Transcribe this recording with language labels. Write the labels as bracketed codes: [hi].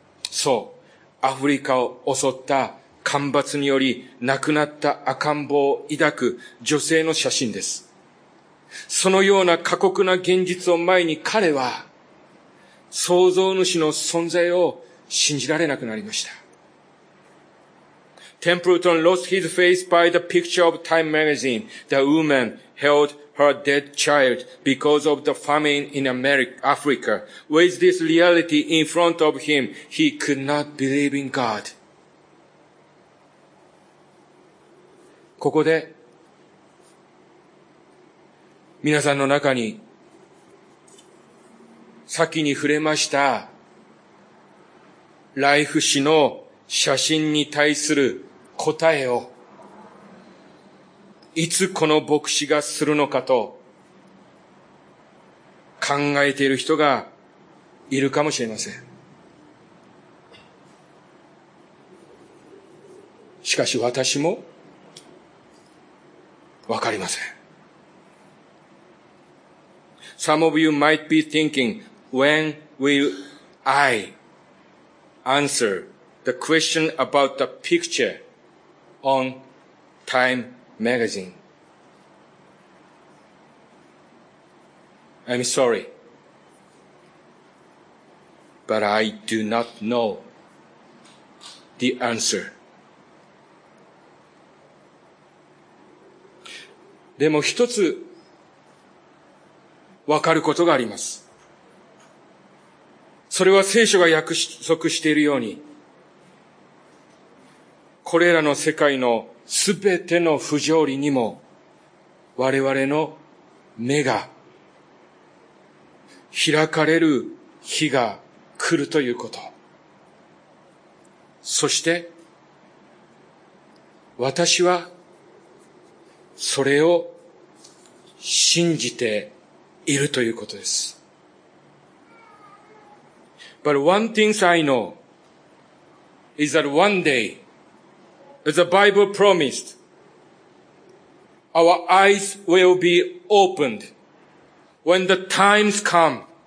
[ja] そう、アフリカを襲った干ばつにより亡くなった赤ん坊を抱く女性の写真です。そのような過酷な現実を前に彼は創造主の存在を信じられなくなりました。 [en] Templeton lost his faith by the picture of Time magazine. The woman held her dead child because of the famine in Africa. With this reality in front of him, he could not believe in God. [ja] ここで皆さんの中に先に触れましたライフ誌の写真に対する答えをいつこの牧師がするのかと考えている人がいるかもしれません。しかし私もわかりません。 [en] Some of you might be thinking, when will I answer the question about the picture on Time magazine? I'm sorry, but I do not know the answer. [ja] でも一つ分かることがあります。それは聖書が約束しているように、これらの世界のすべての不条理にも我々の目が開かれる日が来るということ。そして、私は、それを信じているということです。 [en] But one thing I know is that one day, as the Bible promised, our eyes will be opened when the times come.